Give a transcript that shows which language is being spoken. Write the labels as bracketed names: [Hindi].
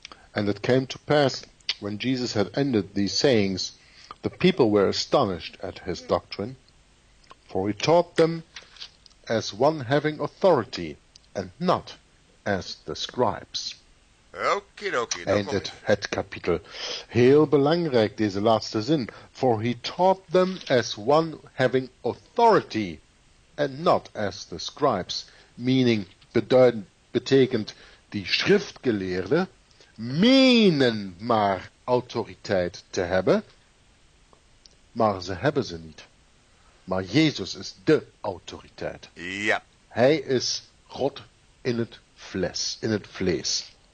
[English] And it came to pass, when Jesus had ended these sayings, the people were astonished at his doctrine, for he taught them as one having authority, and not as the scribes. [Dutch] Okidoki, het kapitel. Heel belangrijk, deze laatste zin. [English] For he taught them as one having authority, and not as the scribes. [Dutch] Meaning, betekent die schriftgeleerden menen maar autoriteit te hebben, maar ze hebben ze niet. Maar Jezus is de autoriteit. Ja. Hij is God in het vlees.